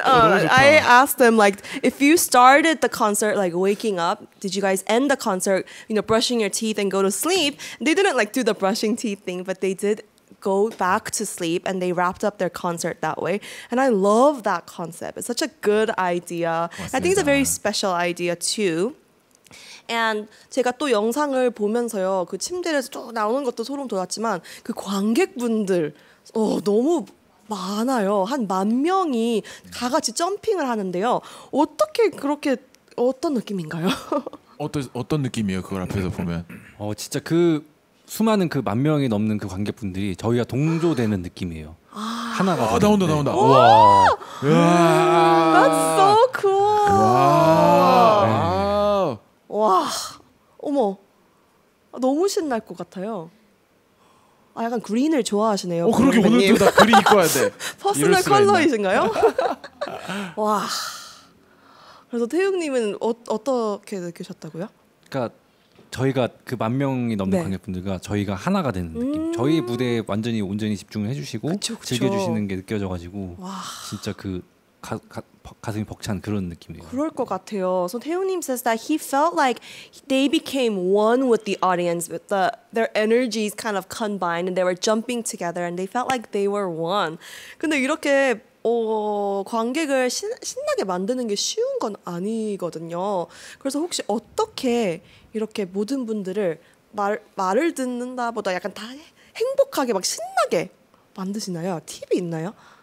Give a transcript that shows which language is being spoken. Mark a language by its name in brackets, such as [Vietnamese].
[English] Alright, so I asked them like, if you started the concert like waking up, did you guys end the concert, you know, brushing your teeth and go to sleep? They didn't like do the brushing teeth thing, but they did. Go back to sleep, and they wrapped up their concert that way. And I love that concept. It's such a good idea. [Korean] 맞습니다. [English] I think it's a very special idea too. [Korean] And 제가 또 영상을 보면서요, 그 침대에서 쭉 나오는 것도 소름 돋았지만 그 관객분들 너무 많아요. 한 만 명이 다 같이 점핑을 하는데요. 어떻게 그렇게 어떤 느낌인가요? 어떤 느낌이에요? 그걸 앞에서 보면. 진짜 그. 수많은 그 만 명이 넘는 그 관객분들이 저희가 동조되는 느낌이에요. 하나가 나온다. [English] 와. That's so cool. [Korean] 와. 와. 어머. 너무 신날 것 같아요. 아 약간 그린을 좋아하시네요. 그러게 오늘도 나 그린 입고 와야 돼. 퍼스널 컬러이신가요? 와. 그래서 태웅님은 어떻게 느끼셨다고요? 그러니까 저희가 그 만 명이 넘는 네. 관객분들과 저희가 하나가 되는 느낌. 저희 무대에 완전히 온전히 집중을 해주시고 그쵸. 즐겨주시는 게 느껴져가지고 와. 진짜 그 가슴이 벅찬 그런 느낌이에요. 그럴 것 같아요. [English] So 태우님 says that he felt like they became one with the audience, with their energies kind of combined and they were jumping together and they felt like they were one. [Korean] 근데 이렇게 관객을 신나게 만드는 게 쉬운 건 아니거든요. 그래서 혹시 어떻게 이렇게 모든 분들을 말을 듣는다보다 약간 다 행복하게 막 신나게 만드시나요? 팁이 있나요?